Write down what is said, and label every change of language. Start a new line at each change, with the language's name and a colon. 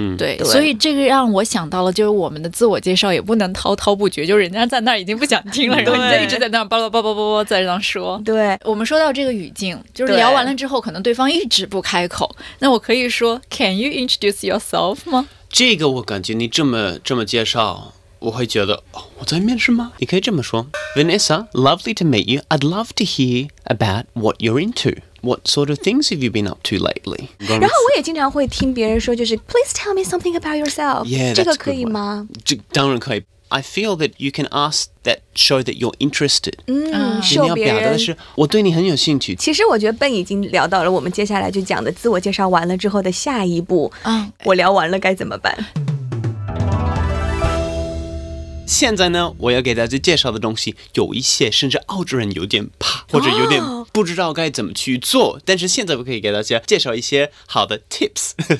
Chinese: 对，所以这个让我想到了，就是我们的自我介绍也不能滔滔不绝，就人家在那儿已经不想听了，然后你一直在那儿叭叭叭叭叭叭在那说。对，我们说到这个语境，就是聊完了之后可能对方一直不开口，那我可以说
English: Can you introduce yourself
Chinese: 吗？这个我感觉你这么介绍我会觉得、哦、我在面试吗？你可以这么说
English: Vanessa, lovely to meet you. I'd love to hear about what you're into. What sort of things have you been up to lately?
Chinese: 然后我也经常会听别人说就是
English: Please tell me something about yourself. Yeah,
Chinese: 这个可以吗？这当然可以。
English: I feel that you can ask that show that you're interested. 嗯，
Chinese: 你要表达的是我对你很有兴趣。其实我觉得Ben已经聊到了我们接下来就讲的自我介绍完了之后的下一步。我聊完了该怎么办？现在呢，我要给大家介绍的东西有一些甚至澳洲人有点怕或者有点不知道该怎么去做，但是现在我可以给大家介绍一些好的 tips。